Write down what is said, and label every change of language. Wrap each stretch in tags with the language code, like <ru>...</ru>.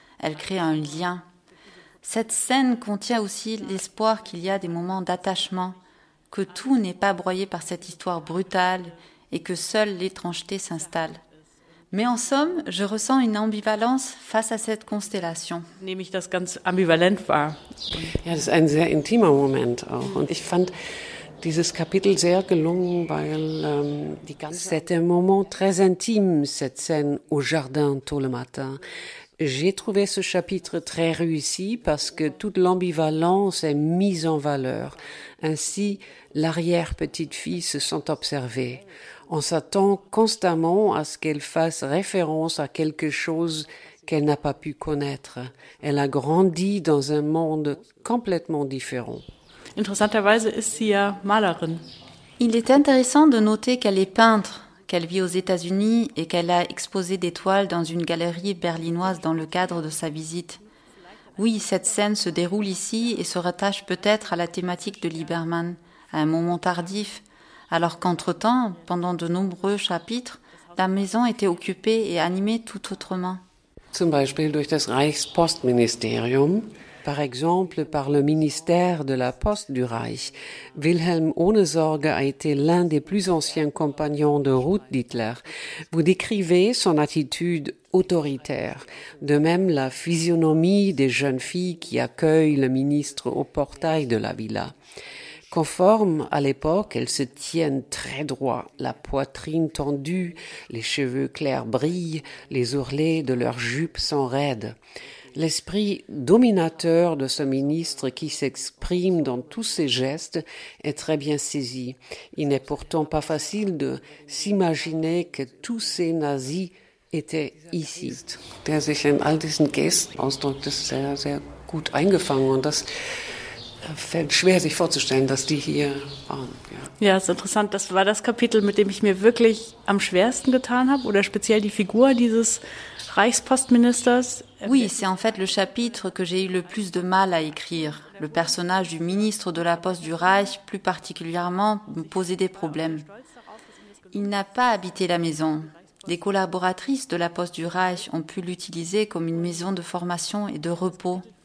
<fr>Elle crée un lien. Cette scène contient aussi l'espoir qu'il y a des moments d'attachement, que tout n'est pas broyé par cette histoire brutale et que seule l'étrangeté s'installe. Mais en somme, je ressens une ambivalence face à cette constellation.</fr> <de>Nehme ich das ganz ambivalent wahr. Ja, das ist ein sehr intimer Moment auch. Und ich fand dieses Kapitel sehr gelungen, weil</de> <fr>c'était un moment très intime, cette scène au jardin tôt le matin. J'ai trouvé ce chapitre très réussi parce que toute l'ambivalence est mise en valeur. Ainsi, l'arrière-petite-fille se sent observée. On s'attend constamment à ce qu'elle fasse référence à quelque chose qu'elle n'a pas pu connaître. Elle a grandi dans un monde complètement différent.</fr> <de>Interessanterweise ist sie ja Malerin.</de> <fr>Il est intéressant de noter qu'elle est peintre, qu'elle vit aux États-Unis et qu'elle a exposé des toiles dans une galerie berlinoise dans le cadre de sa visite. Oui, cette scène se déroule ici et se rattache peut-être à la thématique de Liebermann, à un moment tardif, alors qu'entre-temps, pendant de nombreux chapitres, la maison était occupée et animée tout autrement.</fr> <de>Zum Beispiel durch das Reichspostministerium.</de> <fr>Par exemple, par le ministère de la Poste du Reich, Wilhelm Ohnesorge a été l'un des plus anciens compagnons de route d'Hitler. Vous décrivez son attitude autoritaire, de même la physionomie des jeunes filles qui accueillent le ministre au portail de la villa. Conforme à l'époque, elles se tiennent très droit, la poitrine tendue, les cheveux clairs brillent, les ourlets de leurs jupes sont raides. L'esprit dominateur de ce ministre qui s'exprime dans tous ses gestes est très bien saisi. Il n'est pourtant pas facile de s'imaginer que tous ces nazis étaient ici.</fr> <de>Der sich in all diesen Gesten ausdrückt, ist sehr, sehr gut eingefangen. Und das fällt schwer, sich vorzustellen, dass die hier waren. Ja, ist interessant. Das war das Kapitel, mit dem ich mir wirklich am schwersten getan habe, oder speziell die Figur dieses Reichspostministers.</de> <fr>Oui, c'est en fait le chapitre que j'ai eu le plus de mal à écrire. Le personnage du ministre de la Poste du Reich, plus particulièrement, me posait des problèmes. Il n'a pas habité la maison. Des collaboratrices de la Poste du Reich ont pu l'utiliser comme une maison de formation et de repos.</fr>